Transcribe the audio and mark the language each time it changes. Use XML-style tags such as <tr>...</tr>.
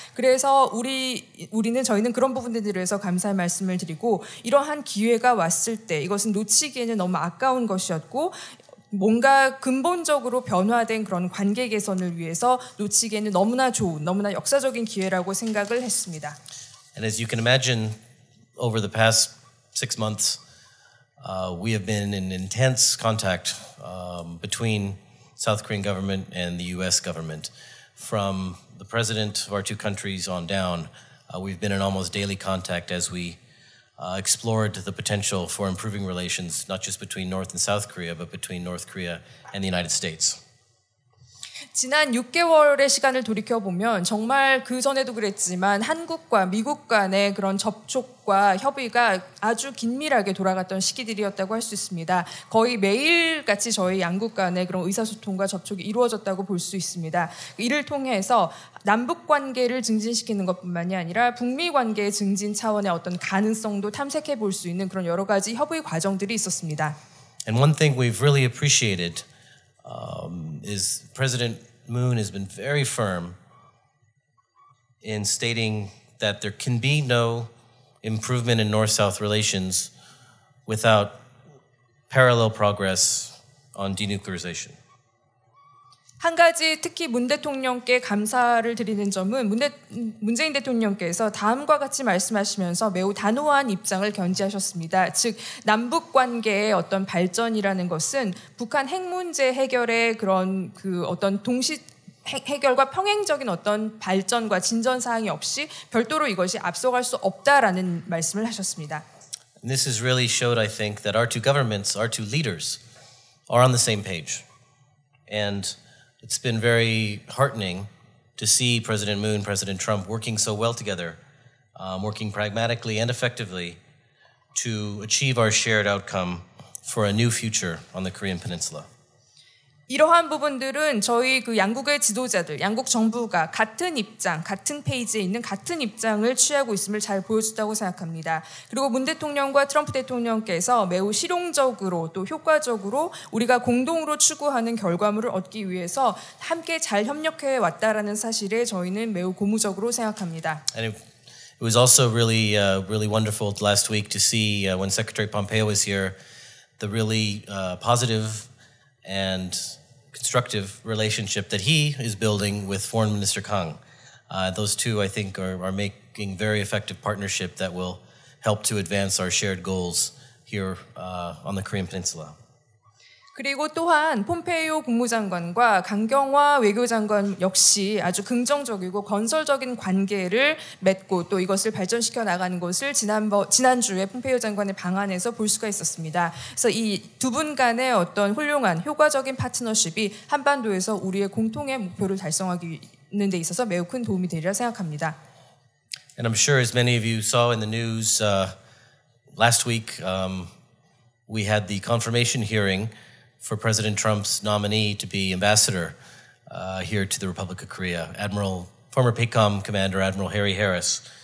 <ko>그래서 저희는 그런 부분들에 대해서 감사의 말씀을 드리고 이러한 기회가 왔을 때 이것은 놓치기에는 너무 아까운 것이었고 뭔가 근본적으로 변화된 그런 관계 개선을 위해서 놓치기에는 너무나 좋은, 너무나 역사적인 기회라고 생각을 했습니다.</ko> <en>And as you can imagine, over the past six months, we have been in intense contact between South Korean government and the U.S. government. from the president of our two countries on down. We've been in almost daily contact as we explored the potential for improving relations, not just between North and South Korea, but between North Korea and the United States.</en> <ko>지난 6개월의 시간을 돌이켜보면 정말 그 전에도 그랬지만 한국과 미국 간의 그런 접촉과 협의가 아주 긴밀하게 돌아갔던 시기들이었다고 할 수 있습니다. 거의 매일같이 저희 양국 간의 그런 의사소통과 접촉이 이루어졌다고 볼 수 있습니다. 이를 통해서 남북 관계를 증진시키는 것뿐만이 아니라 북미 관계의 증진 차원의 어떤 가능성도 탐색해 볼 수 있는 그런 여러 가지 협의 과정들이 있었습니다.</ko> <en>And one thing we've really appreciated is President Moon has been very firm in stating that there can be no improvement in North-South relations without parallel progress on denuclearization.</en> <ko>한 가지 특히 문 대통령께 감사를 드리는 점은 문재인 대통령께서 다음과 같이 말씀하시면서 매우 단호한 입장을 견지하셨습니다. 즉 남북 관계의 어떤 발전이라는 것은 북한 핵 문제 해결의 그런 그 어떤 동시 해결과 평행적인 어떤 발전과 진전 사항이 없이 별도로 이것이 앞서갈 수 없다라는 말씀을 하셨습니다.</ko> <en>And this has really showed, I think, that our two governments, our two leaders, are on the same page, and It's been very heartening to see President Moon, President Trump working so well together, working pragmatically and effectively to achieve our shared outcome for a new future on the Korean Peninsula.</en> <ko>이러한 부분들은 저희 그 양국의 지도자들, 양국 정부가 같은 입장, 같은 페이지에 있는 같은 입장을 취하고 있음을 잘 보여줬다고 생각합니다. 그리고 문 대통령과 트럼프 대통령께서 매우 실용적으로 또 효과적으로 우리가 공동으로 추구하는 결과물을 얻기 위해서 함께 잘 협력해 왔다라는 사실에 저희는 매우 고무적으로 생각합니다.</ko> <en>And it was also really, really wonderful last week to see when Secretary Pompeo was here, the really positive and constructive relationship that he is building with Foreign Minister Kang. Those two, I think, are making very effective partnership that will help to advance our shared goals here on the Korean Peninsula.</en> <ko>그리고 또한 폼페이오 국무장관과 강경화 외교장관 역시 아주 긍정적이고 건설적인 관계를 맺고 또 이것을 발전시켜 나가는 것을 지난주에 폼페이오 장관의 방한에서 볼 수가 있었습니다. 그래서 이 두 분 간의 어떤 훌륭한 효과적인 파트너십이 한반도에서 우리의 공통의 목표를 달성하는 데 있어서 매우 큰 도움이 되리라 생각합니다.</ko> <en>And I'm sure as many of you saw in the news last week, we had the confirmation hearing for President Trump's nominee to be ambassador here to the Republic of Korea, Admiral, former PACOM commander, Admiral Harry Harris.</en>